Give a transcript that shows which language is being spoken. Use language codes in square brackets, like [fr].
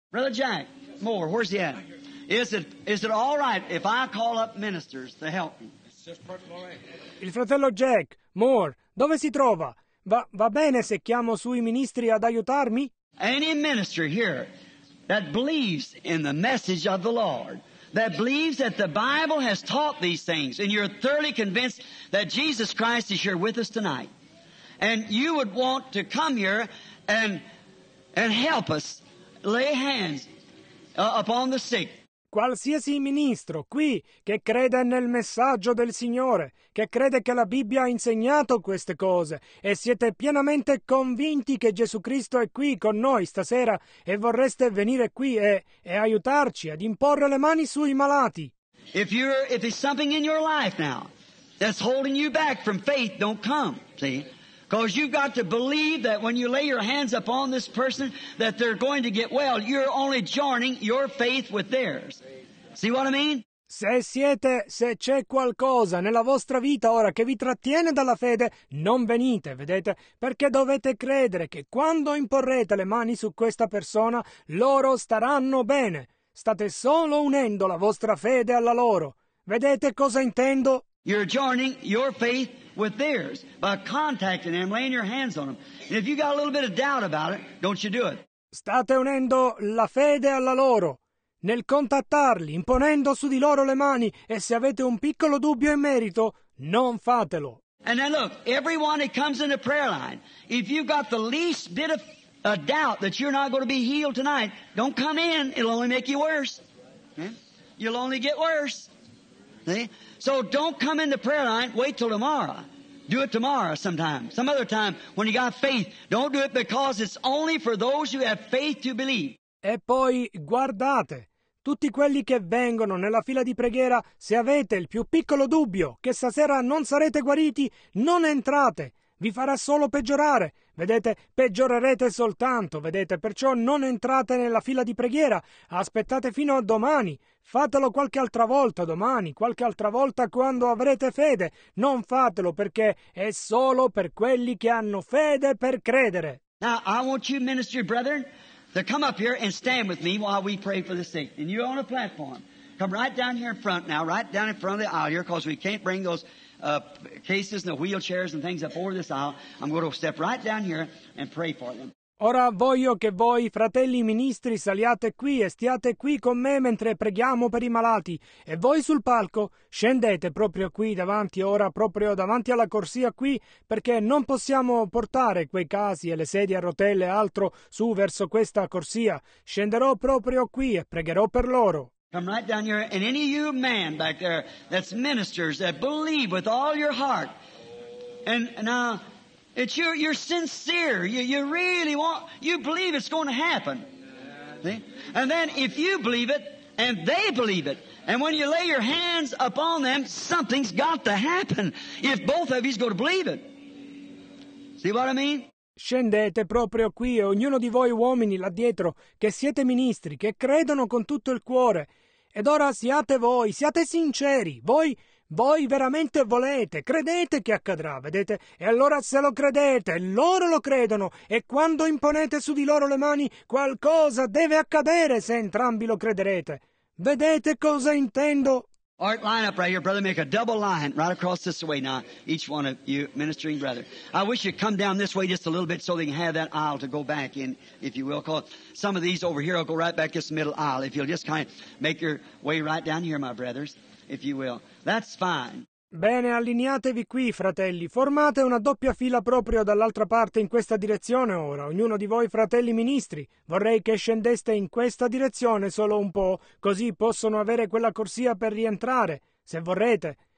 [en] Brother Jack, more, where's he at? Is it all right if I call up ministers to help me? [it] Il fratello Jack, more, dove si trova? Va bene se chiamo sui ministri ad aiutarmi? [en] Any minister here that believes in the message of the Lord, that believes that the Bible has taught these things, and you're thoroughly convinced that Jesus Christ is here with us tonight, and you would want to come here and help us lay hands upon the sick. [it] Qualsiasi ministro qui che crede nel messaggio del Signore, che crede che la Bibbia ha insegnato queste cose e siete pienamente convinti che Gesù Cristo è qui con noi stasera e vorreste venire qui e aiutarci ad imporre le mani sui malati. [en] If there's something in your life now that's holding you back from faith, don't come, see? Because you've got to believe that when you lay your hands upon this person, that they're going to get well. You're only joining your faith with theirs. See what I mean? [it] Se c'è qualcosa nella vostra vita ora che vi trattiene dalla fede, non venite, vedete? Perché dovete credere che quando imporrete le mani su questa persona, loro staranno bene. State solo unendo la vostra fede alla loro. Vedete cosa intendo? [en] You're joining your faith with theirs by contacting them, laying your hands on them. And if you got a little bit of doubt about it, don't you do it. [it] State unendo la fede alla loro nel contattarli, imponendo su di loro le mani, e se avete un piccolo dubbio in merito, non fatelo. [en] And then look, everyone that comes in the prayer line, if you've got the least bit of a doubt that you're not going to be healed tonight, don't come in. It'll only make you worse. You'll only get worse. See? So don't come in the prayer line. Wait till tomorrow. Do it tomorrow sometime. Some other time when you got faith. Don't do it because it's only for those who have faith to believe. [it] E poi guardate. Tutti quelli che vengono nella fila di preghiera, se avete il più piccolo dubbio che stasera non sarete guariti, non entrate. Vi farà solo peggiorare. Vedete, peggiorerete soltanto, vedete, perciò non entrate nella fila di preghiera, aspettate fino a domani, fatelo qualche altra volta domani, qualche altra volta quando avrete fede, non fatelo perché è solo per quelli che hanno fede per credere. [en] Now, I want you ministry brethren to come up here and stand with me while we pray for the sick. And you're on a platform, come right down here in front now, right down in front of the aisle here, because we can't bring those cases and the wheelchairs and things up over this aisle. I'm going to step right down here and pray for them. [it] Ora voglio che voi, fratelli ministri, saliate qui e stiate qui con me mentre preghiamo per i malati. E voi sul palco, scendete proprio qui davanti, ora proprio davanti alla corsia qui, perché non possiamo portare quei casi e le sedie a rotelle e altro su verso questa corsia. Scenderò proprio qui e pregherò per loro. [en] Come right down here, and any of you man back there that's ministers that believe with all your heart, and now it's you're sincere. You really want, you believe it's going to happen. See? And then if you believe it, and they believe it, and when you lay your hands upon them, something's got to happen if both of you's going to believe it. See what I mean? [it] Scendete proprio qui, ognuno di voi uomini là dietro, che siete ministri, che credono con tutto il cuore. Ed ora siate voi, siate sinceri, voi veramente volete, credete che accadrà, vedete? E allora se lo credete, loro lo credono, e quando imponete su di loro le mani, qualcosa deve accadere se entrambi lo crederete. Vedete cosa intendo? [en] All right, line up right here, brother. Make a double line right across this way now, each one of you ministering brother. I wish you'd come down this way just a little bit so they can have that aisle to go back in, if you will. Because some of these over here will go right back this middle aisle. If you'll just kind of make your way right down here, my brothers, if you will. That's fine. [it] Bene, allineatevi qui, fratelli. Formate una doppia fila proprio dall'altra parte in questa direzione ora. Ognuno di voi, fratelli ministri, vorrei che scendeste in questa direzione solo un po', così possono avere quella corsia per rientrare, se vorrete.